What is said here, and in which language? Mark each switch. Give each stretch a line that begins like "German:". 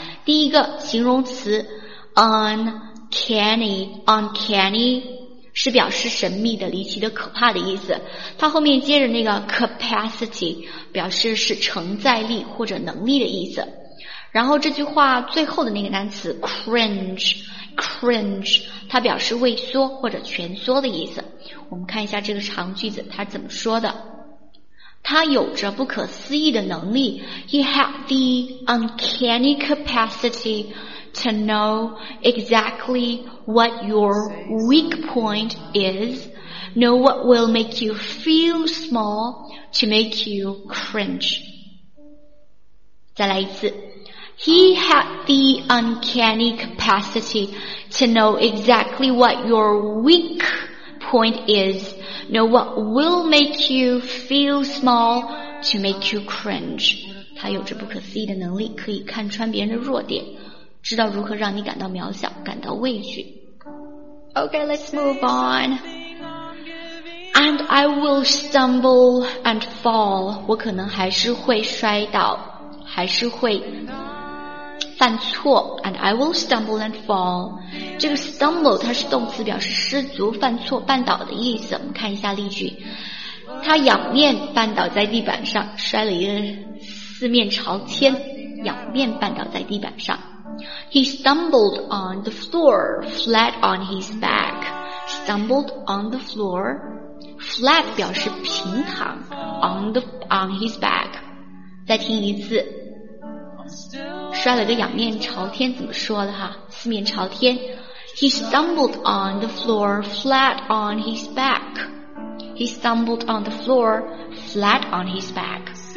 Chinese: 第一个形容词 uncanny 是表示神秘的、离奇的、可怕的意思，它后面接着那个 capacity 表示是承载力或者能力的意思。然后这句话最后的那个单词 cringe 它表示畏缩或者蜷缩的意思。我们看一下这个长句子它怎么说的。他有着不可思议的能力。
English: He had the uncanny capacity to know exactly what your weak point is, know what will make you feel small to make you cringe.
Chinese: 再来一次。
English: He had the uncanny capacity to know exactly what your weak point is. Know what will make you feel small to make you cringe.
Chinese: 他有着不可思议的能力，可以看穿别人的弱点，知道如何让你感到渺小，感到畏惧。
English: Okay, let's move on. And I will stumble and fall.
Chinese: 我可能还是会摔倒，还是会犯错。
English: And I will stumble and fall.
Chinese: 这个 stumble 它是动词，表示失足、犯错、绊倒的意思。我们看一下例句。他仰面绊倒在地板上，摔了一个四面朝天，仰面绊倒在地板上。
English: He stumbled on the floor, flat on his back. Stumbled on the floor, flat
Chinese: 表示平躺
English: on his back.
Chinese: 再听一次，摔了个仰面朝天怎么说的哈？四面朝天。
English: He stumbled on the floor, flat on his back. He stumbled on the floor, flat on his back.